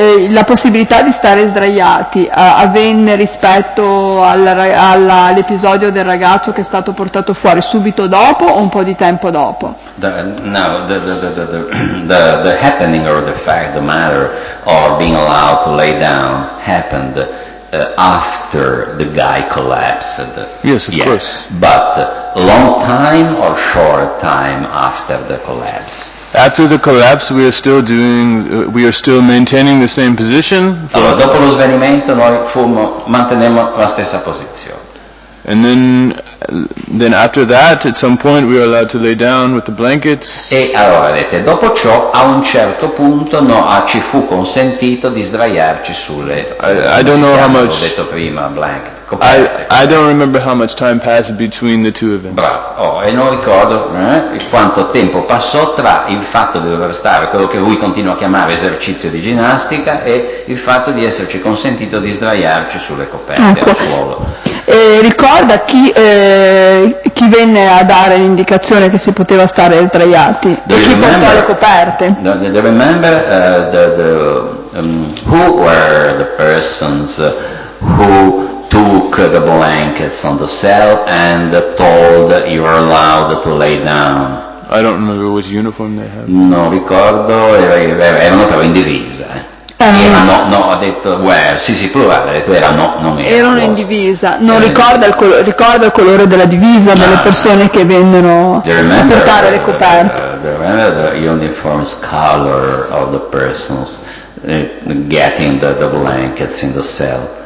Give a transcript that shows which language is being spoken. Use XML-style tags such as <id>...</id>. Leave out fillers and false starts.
<it>La possibilità di stare sdraiati avvenne rispetto all'episodio del ragazzo che è stato portato fuori subito dopo o un po' di tempo dopo?</it> <en>The happening or the fact, the matter of being allowed to lay down happened after the guy collapsed. Yes, of course. But long time or short time after the collapse? After the collapse, we are still maintaining the same position.</en> <it>Allora, dopo lo svenimento, noi mantenemmo la stessa posizione.</it> <en>And then after that, at some point, we are allowed to lay down with the blankets.</en> <it>E allora, vedete, dopo ciò, a un certo punto, no, ci fu consentito di sdraiarci sulle.</it> <en>I don't know how much.</en> <it>Ho detto prima, blanket.</it> <en>I don't remember how much time passed between the two events.</en> <it>Bravo. Oh, e non ricordo quanto tempo passò tra il fatto di dover stare, quello che lui continua a chiamare esercizio di ginnastica, e il fatto di esserci consentito di sdraiarci sulle coperte ecco. Al suolo. Ricorda chi venne a dare l'indicazione che si poteva stare sdraiati e chi portò le coperte?</it> <en>Do you remember who were the persons who took the blankets on the cell and told you are allowed to lay down? I don't remember which uniform they had.</en> <it>No, ricordo, erano però in divisa. Ha detto</it> <en>where,</en> <it>sì, plurale, ha detto era, no, non era. Erano in divisa, non ricorda il colore, ricorda il colore della divisa, no, delle persone che vennero a portare le coperte.</it> <en>Remember the uniform's color of the persons getting the blankets in the cell?</en>